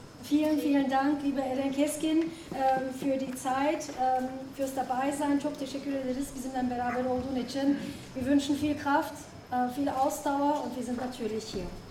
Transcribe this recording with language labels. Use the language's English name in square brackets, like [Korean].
[German] Vielen, vielen Dank, liebe Alan Kiskin, für die Zeit, fürs Dabeisein. [Turkish] Çok teşekkür ederiz, bizimle beraber olduğun için. [German] Wir wünschen viel Kraft, viel Ausdauer, und wir sind natürlich hier.